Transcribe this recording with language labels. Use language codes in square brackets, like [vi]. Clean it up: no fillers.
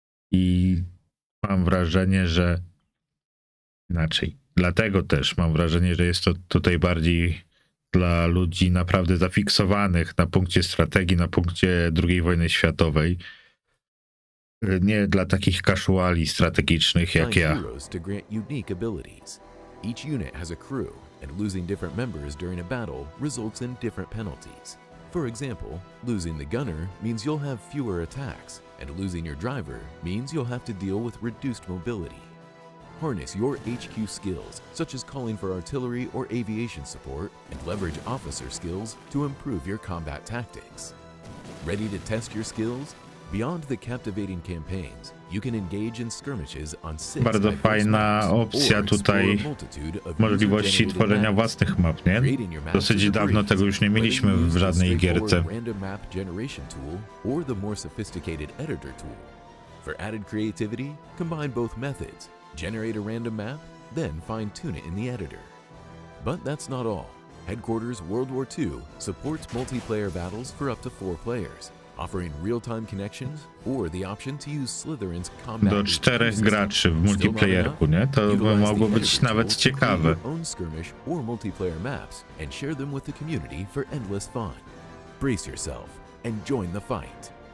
[pl] I mam wrażenie, że inaczej. Dlatego też mam wrażenie, że jest to tutaj bardziej dla ludzi naprawdę zafiksowanych na punkcie strategii, na punkcie II wojny światowej. Nie dla takich kaszuali strategicznych jak ja. [en] Heroes to grant unique abilities. Each unit has a crew, and losing different members during a battle results in different penalties. For example, losing the gunner means you'll have fewer attacks, and losing your driver means you'll have to deal with reduced mobility. Harness your HQ skills, such as calling for artillery or aviation support, and leverage officer skills to improve your combat tactics. Ready to test your skills? Beyond the captivating campaigns, you can engage in skirmishes on six [pl] bardzo fajna opcja tutaj możliwości tworzenia własnych map, nie? Dosyć dawno tego już nie mieliśmy w żadnej gierce. [en] Random map generation tool or the more sophisticated editor tool. For added creativity, combine both methods. Generate a random map, then fine-tune it in the editor. But that's not all. Headquarters World War II supports multiplayer battles for up to 4 players. Offering real-time connections or the option to use Slytherin's combat. [pl] Do 4 graczy w multiplayerku, nie? To by mogło być nawet ciekawe. [en] Skirmish or multiplayer maps and share them with the community for endless fun. Brace yourself and join the fight.